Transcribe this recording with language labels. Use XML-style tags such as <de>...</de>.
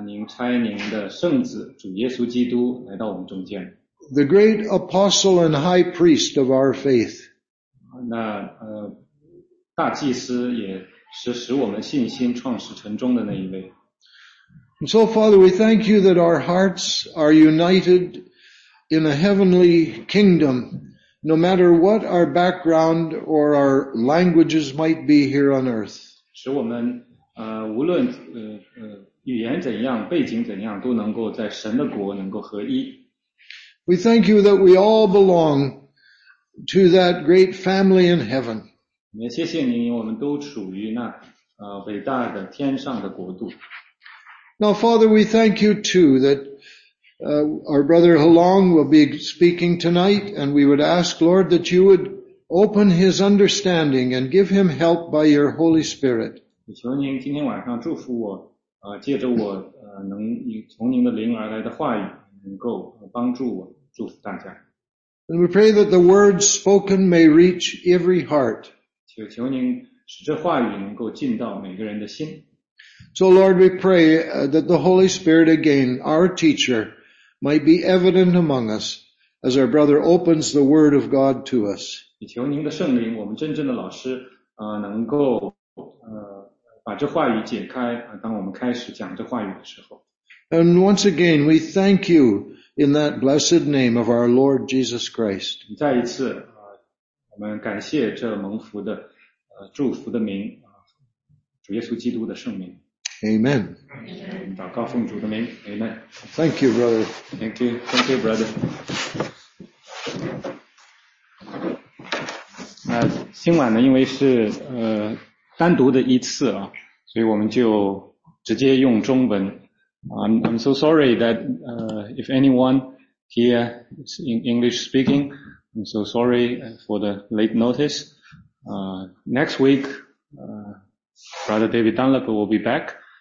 <zh>您差您的圣子主耶稣基督来到我们中间。</zh> <en>The great apostle and high priest of our faith.</en> <zh>那大祭司也是使我们信心创始成终的那一位。</zh> <en>And so, Father, we thank you that our hearts are united in a heavenly kingdom, no matter what our background or our languages might be here on earth.</en> <zh>使我们无论语言怎样背景怎样都能够在神的国能够合一。</zh> <en>We thank you that we all belong to that great family in heaven.</en> <zh>也谢谢您我们都属于那伟大的天上的国度。</zh> <en>Now, Father, we thank you too that our brother Halong will be speaking tonight, and we would ask, Lord, that you would open his understanding and give him help by your Holy Spirit.</en> <zh>求您今天晚上祝福我，借着我能从您的灵而来的话语，能够帮助我，祝福大家。</zh> <en>And we pray that the words spoken may reach every heart.</en> <zh>求您使这话语能够进到每个人的心。</zh> <en>So Lord, we pray that the Holy Spirit again, our teacher, might be evident among us as our brother opens the Word of God to us.</en> <zh>也求您的圣灵，我们真正的老师，能够把这话语解开，当我们开始讲这话语的时候。</zh> <en>And once again, we thank you in that blessed name of our Lord Jesus Christ.</en> <zh>再一次，我们感谢这蒙福的祝福的名，主耶稣基督的圣名。</zh> <en>Amen.</en> <zh>祷告奉主的名 ，Amen.</zh> <en>Thank you, brother. Thank you, brother.</en> <zh>那今晚呢，因为是单独的一次啊，所以我们就直接用中文。</zh> <en>I'm so sorry that if anyone here is in English speaking, I'm so sorry for the late notice. Next week, brother David Dunlap will be back.</en>